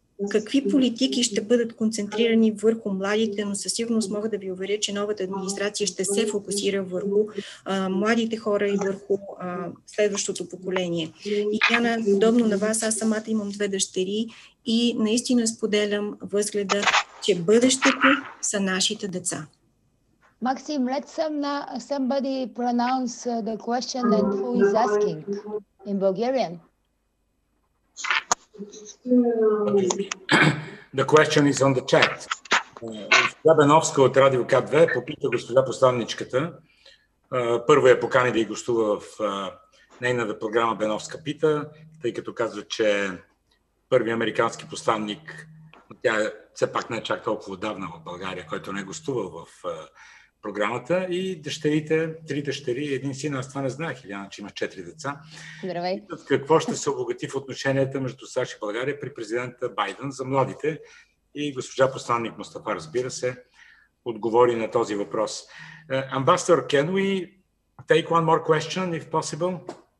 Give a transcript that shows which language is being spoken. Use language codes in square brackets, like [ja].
[bg] какви политики ще бъдат концентрирани върху младите, но със сигурност мога да ви уверя, че новата администрация ще се фокусира върху младите хора и върху следващото поколение. И Яна, подобно на вас, аз самата имам две дъщери и наистина споделям възгледа, че бъдещето са нашите деца. [en] Максим, let somebody pronounce the question that who is asking in Bulgarian. The question is on the chat. [bg] Госпожа Беновска от Радио К2 попита госпожа посланничката. Първо я покани да и гостува в нейната програма Беновска пита, тъй като казва, че първи американски посланник, тя все пак не е чак толкова отдавна в България, който не е гостувал в програмата, и дъщерите, три дъщери, един син, аз това не знаех, Иляна, че има четири деца. Здравей. Питат какво ще се обогати в отношенията между САЩ и България при президента Байден за младите, и госпожа посланник Мустафа, разбира се, отговори на този въпрос. [en] Амбасадор, can we take one more question, if possible?